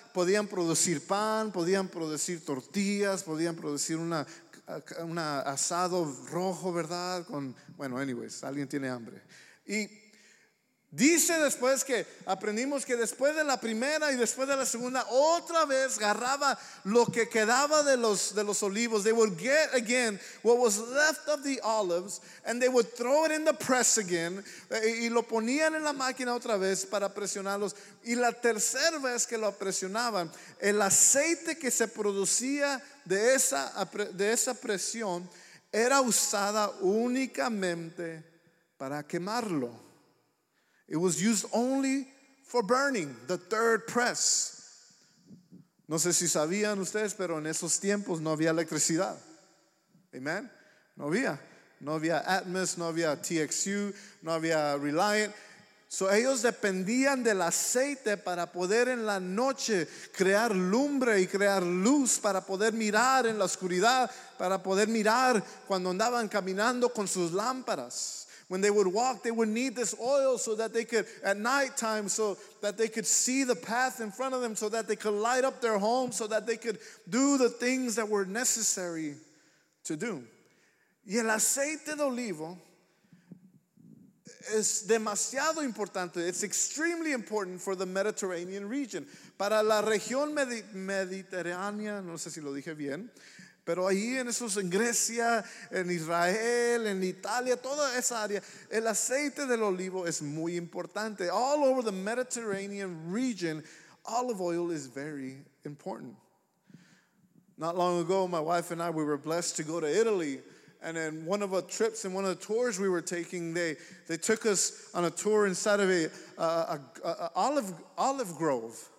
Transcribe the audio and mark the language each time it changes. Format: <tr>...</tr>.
<es>Podían producir pan, podían producir tortillas, podían producir una asado rojo, ¿verdad? Con bueno, anyways, alguien tiene hambre. Y dice después que aprendimos que después de la primera y después de la segunda otra vez agarraba lo que quedaba de los olivos.</es> <en>They would get again what was left of the olives and they would throw it in the press again,</en> <es>y lo ponían en la máquina otra vez para presionarlos. Y la tercera vez que lo presionaban, el aceite que se producía de esa presión era usada únicamente para quemarlo.</es> <en>It was used only for burning, the third press.</en> <es>No sé si sabían ustedes, pero en esos tiempos no había electricidad. Amen. No había. No había Atmos, no había TXU, no había Reliant. So ellos dependían del aceite para poder en la noche crear lumbre y crear luz, para poder mirar en la oscuridad, para poder mirar cuando andaban caminando con sus lámparas.</es> <en>When they would walk, they would need this oil so that they could, at nighttime, so that they could see the path in front of them, so that they could light up their home, so that they could do the things that were necessary to do.</en> <es>Y el aceite de olivo es demasiado importante.</es> <en>It's extremely important for the Mediterranean region.</en> <es>Para la región mediterránea, no sé si lo dije bien, pero ahí en esos en Grecia, en Israel, en Italia, toda esa área, el aceite del olivo es muy importante.</es> <en>All over the Mediterranean region, olive oil is very important. Not long ago, my wife and I, we were blessed to go to Italy. And in one of our trips and one of the tours we were taking, they took us on a tour inside of an olive grove.</en>